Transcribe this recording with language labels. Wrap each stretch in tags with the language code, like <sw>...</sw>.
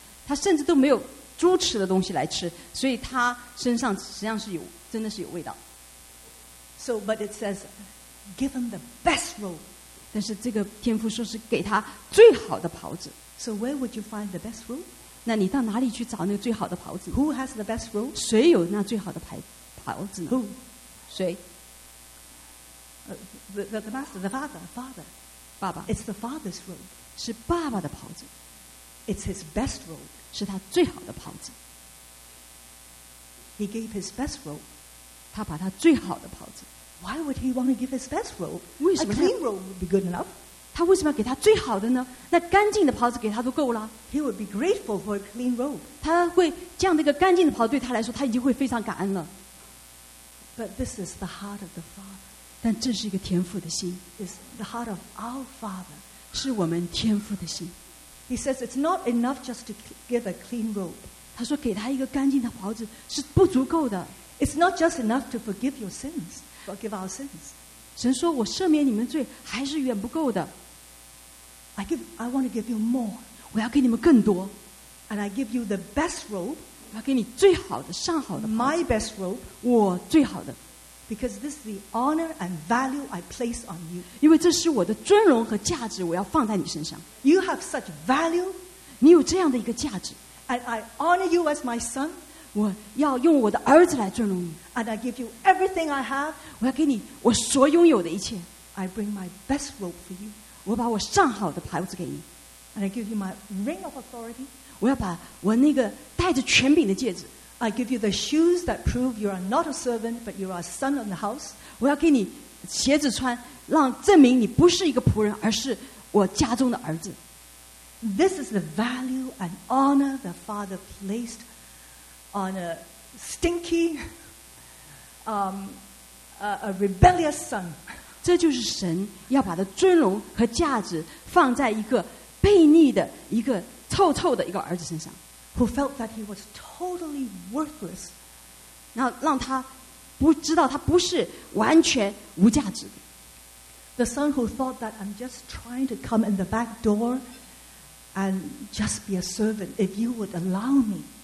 <zh>他甚至都没有猪吃的东西来吃，所以他身上实际上是有，真的是有味道。</zh> <en>So, but it says, give him the best robe.</en> <zh>但是这个天父说是给他最好的袍子。</zh> <en>So where would you find the best robe?</en> <zh>那你到哪里去找那个最好的袍子？</zh> <en>Who has the best robe?</en> <zh>谁有那最好的袍子呢？</zh> <en>Who?</en> <zh>谁？</zh> <en>the master, the father, father.</en> <zh>爸爸.</zh> <en>It's the father's robe.</en> <zh>是爸爸的袍子.</zh> <en>It's his best robe.</en> <zh>是他最好的袍子.</zh> <en>He gave his best robe.</en> <zh>他把他最好的袍子.</zh> <en>Why would he want to give his best robe?</en> <zh>为什么他,</zh> <en>a clean robe would be good enough.</en> <zh>他为什么要给他最好的呢?那干净的袍子给他都够了.</zh> <en>He would be grateful for a clean robe.</en> <zh>他会这样的一个干净的袍子对他来说, 他已经会非常感恩了.</zh> <en>But this is the heart of the Father.</en> <zh>但这是一个天父的心.</zh> <en>It's the heart of our Father.</en> <zh>是我们天父的心.</zh> <en>He says it's not enough just to give a clean robe.</en> <zh>他说给他一个干净的袍子是不足够的.</zh> <en>It's not just enough to forgive your sins. Forgive our sins.</en> <zh>神说我赦免你们罪还是远不够的.</zh> <en>I want to give you more.</en> <zh>我要给你们更多.</zh> <en>And I give you the best robe.</en> <zh>我要给你最好的上好的.</zh> <en>My best robe.</en> <zh>我最好的.</zh> <en>Because this is the honor and value I place on you.</en> <zh>因为这是我的尊荣和价值我要放在你身上.</zh> <en>You have such value.</en> <zh>你有这样的一个价值.</zh> <en>And I honor you as my son.</en> <zh>我要用我的儿子来尊荣你.</zh> <en>And I give you everything I have.</en> <zh>我要给你我所拥有的一切.</zh> <en>I bring my best robe for you.</en> <zh>我把我上好的牌子给你.</zh> <en>And I give you my ring of authority.</en> <zh>我要把我那个带着权柄的戒指.</zh> <en>I give you the shoes that prove you are not a servant, but you are a son of the house.</en> <zh>我要给你鞋子穿, 让证明你不是一个仆人, 而是我家中的儿子.</zh> <en>This is the value and honor the Father placed on a stinky, a rebellious son.</en> <zh>这就是神要把他尊荣和价值放在一个悖逆的一个臭臭的一个儿子身上。</zh> <en>Who felt that he was totally worthless.</en> <zh>然后让他不知道他不是完全无价值的。</zh> <en>The son who thought that I'm just trying to come in the back door and just be a servant if you would allow me.</en>